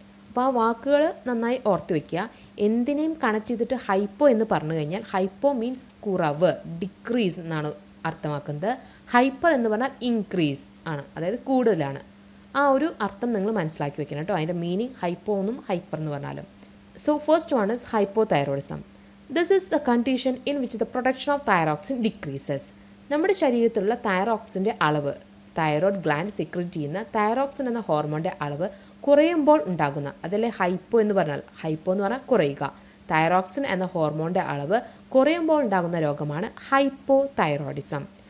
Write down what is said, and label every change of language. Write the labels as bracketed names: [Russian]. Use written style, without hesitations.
[Malayalam] അപ്പോൾ ആ വാക്കുകൾ നന്നായി ഓർത്ത് വയ്ക്കുക. എന്തിനേയും കണക്ട് ചെയ്തിട്ട് ഹൈപ്പോ എന്ന് പറഞ്ഞു കഴിഞ്ഞാൽ ഹൈപ്പോ മീൻസ് കുറവ്, ഡിക്രീസ് എന്നാണ് അർത്ഥമാക്കുന്നത്. ഹൈപ്പർ എന്ന് പറഞ്ഞാൽ ഇൻക്രീസ് ആണ്, അതായത് കൂടുതലാണ്. ആ ഒരു അർത്ഥം നിങ്ങൾ മനസ്സിലാക്കി വയ്ക്കണം കേട്ടോ, അതിൻ്റെ മീനിങ് ഹൈപ്പോ എന്നും ഹൈപ്പർ എന്ന് പറഞ്ഞാലും. [English] So first one is hypothyroidism. This is the condition in which the production of thyroxin decreases. [Malayalam] നമ്മുടെ ശരീരത്തിലുള്ള തൈറോക്സിൻ്റെ അളവ്, തൈറോയിഡ് ഗ്ലാൻഡ് സെക്രീറ്റ് ചെയ്യുന്ന തൈറോക്സിൻ എന്ന ഹോർമോണിൻ്റെ അളവ് കുറയുമ്പോൾ ഉണ്ടാകുന്ന, അതല്ലേ ഹൈപ്പോ എന്ന് പറഞ്ഞാൽ, ഹൈപ്പോ എന്ന് പറഞ്ഞാൽ കുറയുക, തൈറോക്സിൻ എന്ന ഹോർമോണിൻ്റെ അളവ് കുറയുമ്പോൾ ഉണ്ടാകുന്ന രോഗമാണ് ഹൈപ്പോ തൈറോയിഡിസം.